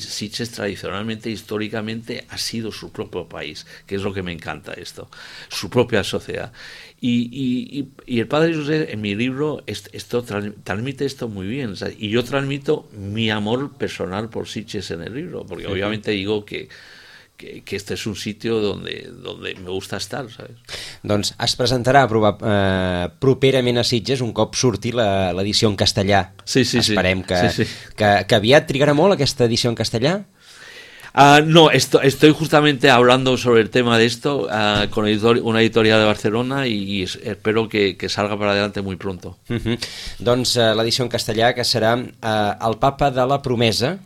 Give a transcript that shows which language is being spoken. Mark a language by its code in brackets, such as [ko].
[es] Sitges tradicionalmente, históricamente, ha sido su propio país, que es lo que me encanta esto, su propia sociedad. Y el padre José, en mi libro, esto transmite esto muy bien, ¿sabes? Y yo transmito mi amor personal por Sitges en el libro, porque obviamente digo que este es un sitio donde me gusta estar, ¿sabes? [ca] Doncs es presentarà properament a Sitges un cop surti l'edició en castellà. Esperem que aviat trigarà molt aquesta edició en castellà. [es] No, estoy justamente hablando sobre el tema de esto con una editorial de Barcelona y espero que salga para adelante muy pronto. Uh-huh. [ca] Doncs l'edició en castellà, que serà El papa de la promesa.